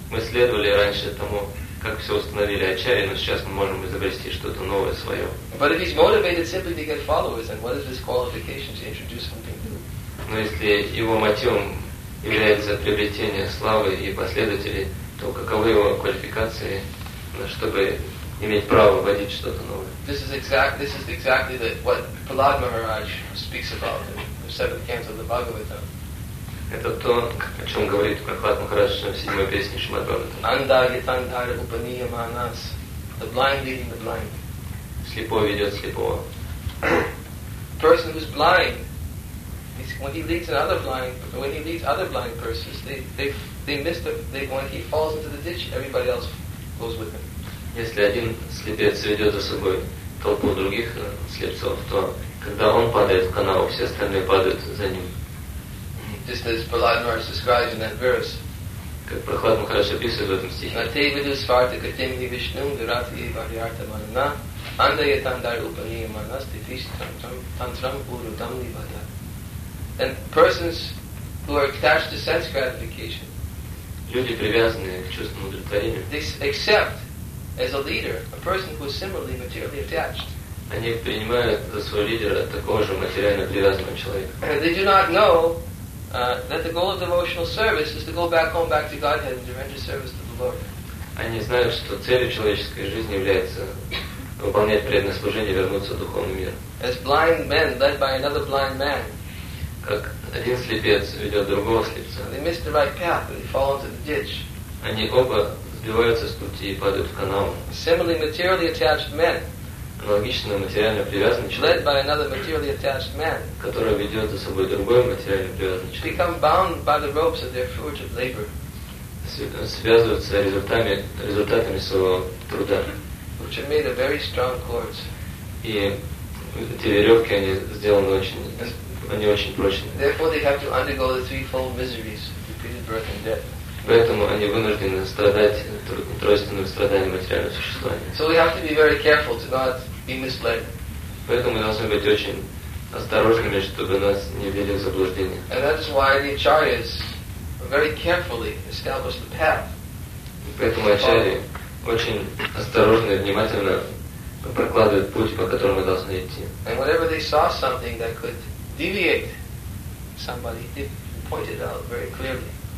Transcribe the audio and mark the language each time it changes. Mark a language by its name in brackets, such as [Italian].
[Russian] Мы следовали раньше тому, как все установили ачарьи, но сейчас мы можем изобрести что-то новое свое. [English] But if he's motivated simply to get followers, then what is his qualification to introduce something new? [Russian] Но если его мотивом является приобретение славы и последователей, то каковы его квалификации, чтобы иметь право вводить что-то новое? [English] This is exactly what Prahlad Maharaj speaks about in the seventh canto of the Bhagavatam. [Russian] Это то, о чем говорит Прахлад Махарадж в седьмой песне Шримад Бхагаватам. [Sanskrit] Анда гитандара упания манас. [English] The blind leading the blind. [Russian] Слепой ведет слепого. [English] Person who's blind, when he leads another blind, when he leads other blind persons, they miss the. They, when he falls into the ditch, everybody else goes with him. [Russian] Если один слепец ведет за собой толпу других слепцов, то когда он падает в канаву, все остальные падают за ним. [English] Just as Prahlad Maharaj describes in that verse. [Russian] Как Прахлад Махарадж описывает в этом стихе. [Sanskrit] Нате виду сварта катемни вишнум дурати варьярта манна анда ятандар упани манас тифиш тантрам уру дамни вадя. [English] And persons who are attached to sense gratification, [Russian] люди привязанные к чувствам удовлетворения, [English] they accept as a leader, a person who is similarly materially attached. [Russian] Они принимают за своего лидера такого же материально привязанного человека. [English] They do not know that the goal of devotional service is to go back to Godhead and to render service to the Lord. [Russian] Они знают, что целью человеческой жизни является выполнять преданное служение и вернуться в духовный мир. [English] As blind men led by another blind man. [Russian] Как один слепец ведет другого слепца. [English] They miss the right path and they fall into the ditch. [Russian] Они оба сбиваются с пути и падают в канаву. [English] Similarly, materially attached men. [Russian] Аналогично материально привязанный человек, [English] led by another materially attached man, [Russian] который ведет за собой другой материально привязанный человек, [English] become bound by the ropes of their fruitive labor. [Russian] Связываются результатами своего труда, [English] which are made of very strong cords. [Russian] И эти веревки, они сделаны очень, они очень прочные. [English] Therefore, they have to undergo the threefold miseries of repeated birth and death. [Russian] Поэтому они вынуждены страдать тройственными страданиями материального существования. [English] So we have to be very careful to not be misled. [Russian] Поэтому мы должны быть очень осторожными, чтобы нас не ввели в заблуждение. [English] And that is why the acharyas very carefully established the path. [Russian] Поэтому ачарьи очень осторожно и внимательно прокладывают путь, по которому мы должны идти. [English] And whenever they saw something that could deviate somebody, they pointed out very clearly.